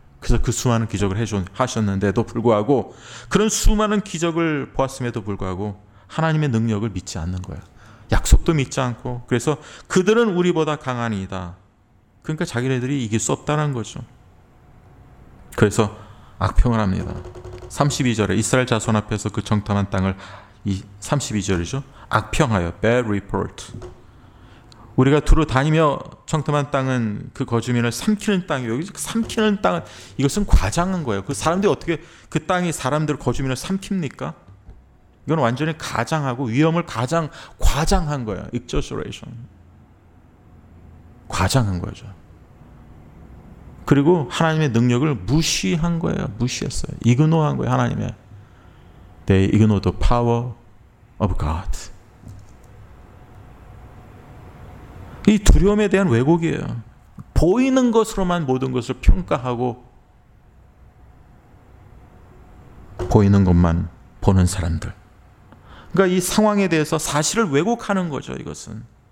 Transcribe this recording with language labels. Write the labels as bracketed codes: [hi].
[ko] 그래서 그 수많은 기적을 하셨는데도 불구하고 그런 수많은 기적을 보았음에도 불구하고 하나님의 능력을 믿지 않는 거예요. 약속도 믿지 않고 그래서 그들은 우리보다 강한 이다. 그러니까 자기네들이 이길 수 없다는 거죠. 그래서 악평을 합니다. 32절에 이스라엘 자손 앞에서 그 정탐한 땅을 이 32절이죠. 악평하여 bad report. 우리가 두루 다니며 정탐한 땅은 그 거주민을 삼키는 땅이에요. 삼키는 땅은 이것은 과장한 거예요. 그 사람들이 어떻게 그 땅이 사람들 거주민을 삼킵니까? 이건 완전히 가장하고 위험을 가장 과장한 거예요. exaggeration. 과장한 거죠. 그리고 하나님의 능력을 무시한 거예요. 무시했어요. 이그노한 거예요. 하나님의. [en] They ignore the power of God. [ko] 이 두려움에 대한 왜곡이에요. 보이는 것으로만 모든 것을 평가하고 보이는 것만 보는 사람들. 그러니까 이 상황에 대해서 사실을 왜곡하는 거죠. 이것은.